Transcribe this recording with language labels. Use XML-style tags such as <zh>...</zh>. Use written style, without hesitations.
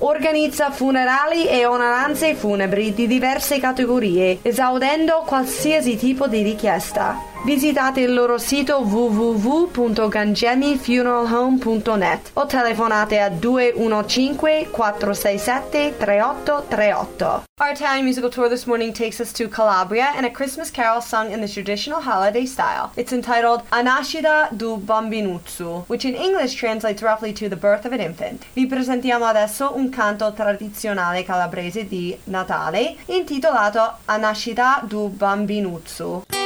<it>organizza funerali e onoranze funebri di diverse categorie, esaudendo qualsiasi tipo di richiesta. Visitate il loro sito www.gangemifuneralhome.net o telefonate a 215-467-3838.</it> <en>Our Italian musical tour this morning takes us to Calabria and a Christmas carol sung in the traditional holiday style. It's entitled A Nascita du Bambinuzzo, which in English translates roughly to The Birth of an Infant.</en> <it>Vi presentiamo adesso un canto tradizionale calabrese di Natale intitolato A Nascita du Bambinuzzo.</it>